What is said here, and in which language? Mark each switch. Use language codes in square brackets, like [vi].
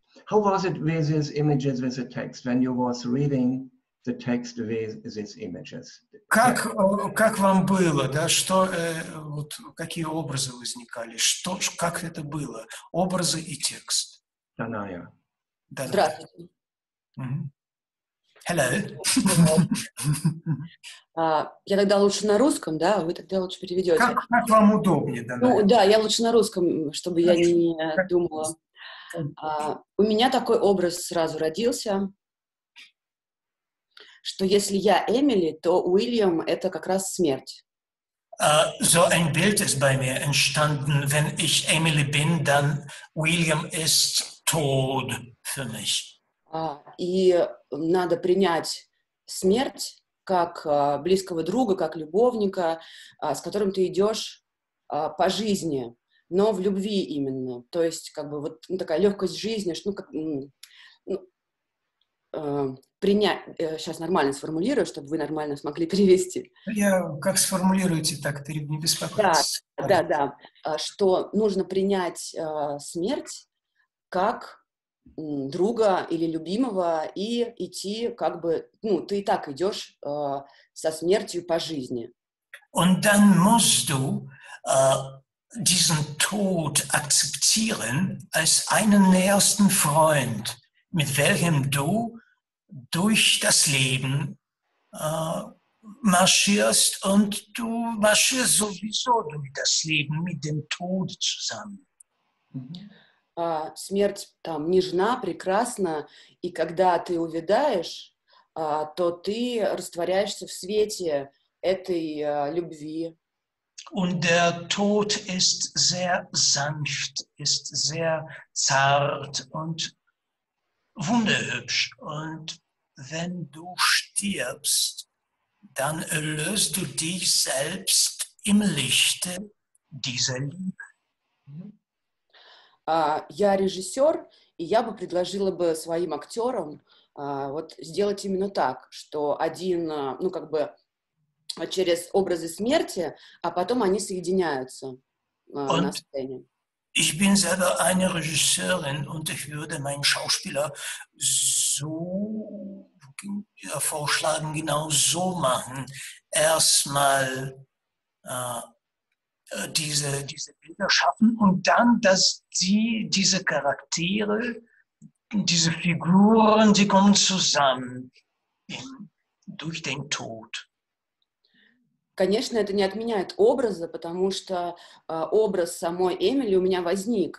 [en] How was it with these images, with the text, when you was reading? The text with these images. [ru] Как вам было, да? Что вот какие образы возникали? Что ж, как это было? Образы и текст. Даная. Здравствуйте. [en] Hello. [ru] Я тогда лучше на русском, да? Вы тогда лучше переведете. Как вам удобнее, Даная? Ну да, я лучше на русском, чтобы я не думала. У меня такой образ сразу родился. Что если я Эмили, то Уильям — это как раз смерть. [de] So ein Bild ist bei mir entstanden, wenn ich Emily bin, dann William ist tot für mich. [ru] И надо принять смерть как близкого друга, как любовника, с которым ты идешь по жизни, но в любви именно. То есть как бы вот ну, такая легкость жизни, что, ну, как, ну, принять, сейчас нормально сформулирую, чтобы вы нормально смогли перевести. Я как сформулируете, так не беспокойтесь. Да, да, да. Что нужно принять смерть как друга или любимого и идти как бы, ну, ты и так идешь со смертью по жизни. [de] Und dann musst du diesen Tod akzeptieren als einen nächsten Freund, mit welchem du durch das Leben marschierst und du marschierst sowieso durch das Leben mit dem Tod zusammen. [ru] смерть там нежна, прекрасна, и когда ты увядаешь, то ты растворяешься в свете этой любви. [de] Und der Tod ist sehr sanft, ist sehr zart und wunderhübsch. Und wenn du stirbst, dann erlöst du dich selbst im Lichte dieser Liebe. [ru] Я режиссер, и я бы предложила бы своим актерам вот сделать именно так, что один, ну как бы через образы смерти, а потом они соединяются на сцене. [de] Ich bin selber eine Regisseurin und ich würde meinen Schauspieler so vorschlagen, genau so machen. Erstmal diese Bilder schaffen und dann, dass diese Charaktere, diese Figuren, die kommen zusammen durch den Tod. [ru] Конечно, это не отменяет образа, потому что образ самой Эмили у меня возник.